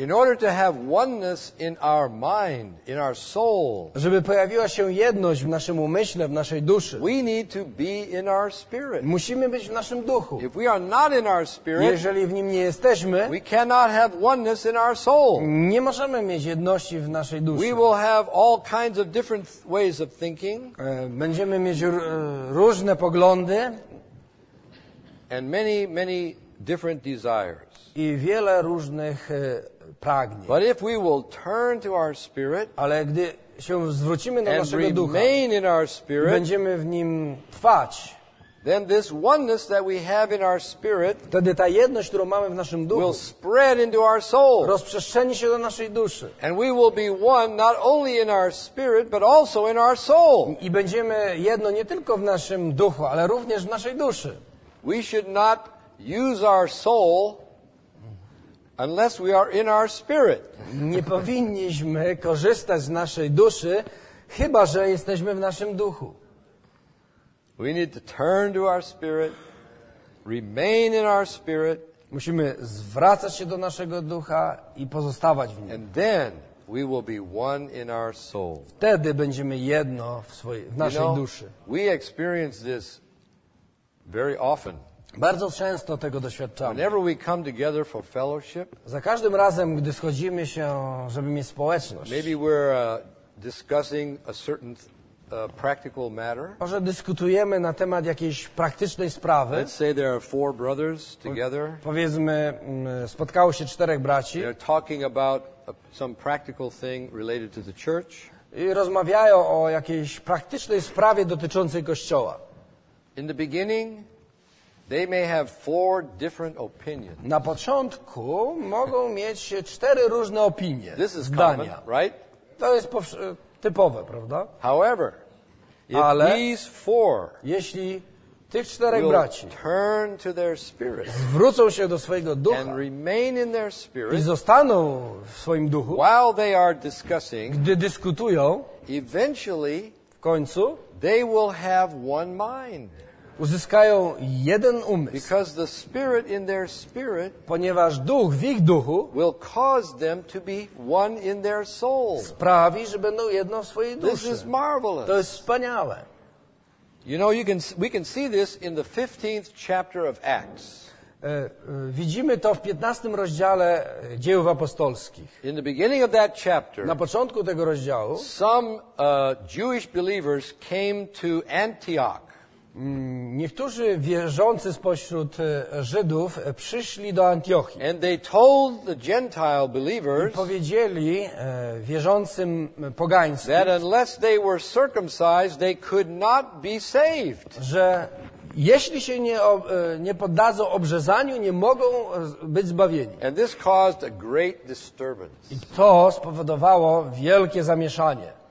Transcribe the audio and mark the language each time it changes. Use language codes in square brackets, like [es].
[en] In order to have oneness in our mind, in our soul. [pl] Żeby pojawiła się jedność w naszym umyśle, w naszej duszy. [en] We need to be in our spirit. [pl] Musimy być w naszym duchu. [en] If we are not in our spirit, [pl] jeżeli w nim nie jesteśmy, [en] we cannot have oneness in our soul. [pl] Nie możemy mieć jedności w naszej duszy. [en] We will have all kinds of different ways of thinking. [pl] Będziemy mieć różne poglądy. [en] And many, many different desires. [pl] I wiele różnych pragnień. [en] But if we will turn to our spirit, [pl] ale gdy się zwrócimy do naszego [en] remain [pl] ducha, [en] in our spirit, [pl] będziemy w nim trwać, [en] then this oneness that we have in our spirit, [pl] wtedy ta jedność, którą mamy w naszym duchu, [en] will spread into our soul, [pl] rozprzestrzeni się do naszej duszy, [en] and we will be one not only in our spirit, but also in our soul. [pl] I będziemy jedno nie tylko w naszym duchu, ale również w naszej duszy. [en] We should not use our soul unless we are in our spirit. [pl] Nie powinniśmy korzystać z naszej duszy, chyba że jesteśmy w naszym duchu. [en] We need to turn to our spirit, remain in our spirit. [pl] Musimy zwracać się do naszego ducha i pozostawać w nim. [en] And then we will be one in our soul. [pl] Wtedy będziemy jedno w naszej duszy. [en] We experience this very often. [pl] Bardzo często tego doświadczamy. [en] Whenever we come together for fellowship. [pl] Za każdym razem, gdy schodzimy się, żeby mieć społeczność. [en] Maybe we're discussing a certain practical matter. [pl] Może dyskutujemy na temat jakiejś praktycznej sprawy. [en] Let's say there are four brothers together. [pl] Powiedzmy, spotkało się czterech braci. [en] They're talking about some practical thing related to the church. [pl] I rozmawiają o jakiejś praktycznej sprawie dotyczącej kościoła. [en] In the beginning, they may have four different opinions. [pl] Na początku mogą mieć cztery różne opinie, [en] this is [pl] zdania. [en] Common, right? [pl] To jest typowe, prawda? [en] However, if [pl] ale [en] these four, [pl] jeśli tych czterech braci [en] turn to their spirit, [pl] zwrócą się do swojego ducha [en] and remain in their spirit, [pl] i zostaną w swoim duchu, [en] while they are discussing, [pl] gdy dyskutują, [en] eventually, [pl] w końcu, [en] they will have one mind. [pl] Uzyskają jeden umysł. [en] Because the spirit in their spirit, [pl] ponieważ duch w ich duchu, [en] will cause them to be one in their soul. [pl] Sprawi, że będą jedno w swojej duszy. [en] This is marvelous. [pl] To jest wspaniałe. [en] You know, you can, we can see this in the 15th chapter of Acts. [pl] Widzimy to w 15 rozdziale Dziejów Apostolskich. [en] In the beginning of that chapter, [pl] na początku tego rozdziału, [en] some Jewish believers came to Antioch. [pl] Niektórzy wierzący spośród Żydów przyszli do Antiochii. [en] And they told the Gentile believers, [pl] i powiedzieli wierzącym pogańskim, [en] that unless they were circumcised, they could not be saved. [pl] Że jeśli się nie poddadzą obrzezaniu, nie mogą być zbawieni. [en] And this caused a great disturbance. [pl] I to spowodowało wielkie zamieszanie.